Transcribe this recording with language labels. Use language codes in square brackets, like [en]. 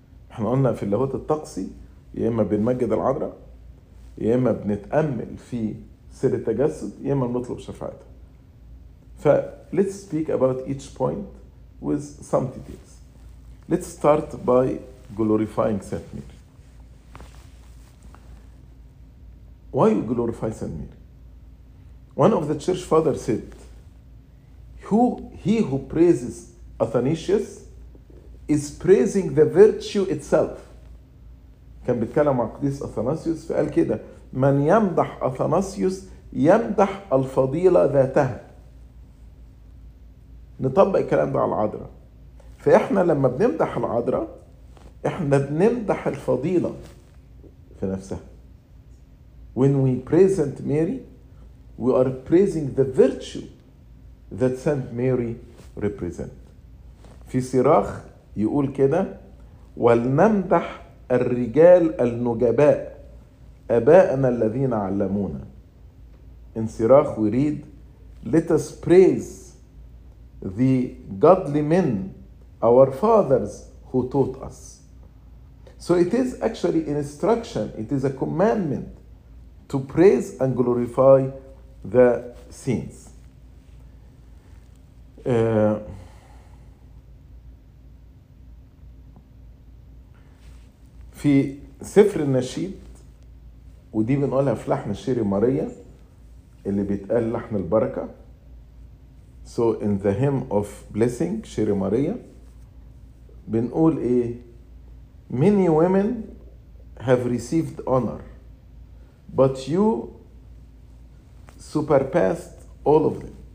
[ar] احنا قلنا في اللاهوت الطقسي يا اما بنمجد العذراء يا إما بنتأمل في سر التجسد يا إما بنطلب شفاعتها. [en] ف let's speak about each point with some details. Let's start by glorifying Saint Mary. Why you glorify Saint Mary? One of the church fathers said, he who praises Athanasius is praising the virtue itself. [ar] كان بيتكلم عن قديس أثناسيوس فقال كده من يمدح أثناسيوس يمدح الفضيلة ذاتها. نطبق الكلام ده على العذراء. فإحنا لما بنمدح العذراء إحنا بنمدح الفضيلة في نفسها. [en] When we present Mary, we are praising the virtue that Saint Mary represent. [ar] في صراخ يقول كده: ولنمدح الرجال النجباء أباءنا الذين علمونا. [en] In صراخ we read: Let us praise the godly men, our fathers who taught us. So it is actually an instruction, it is a commandment to praise and glorify the saints. [ar] في سفر النشيد، ودي بنقولها في لحن الشيري ماريا اللي بيتقال لحن البركة. [en] So in the hymn of blessing, شيري ماريا، [ar] بنقول ايه؟ [en] Many women have received honor, but you surpassed all of them.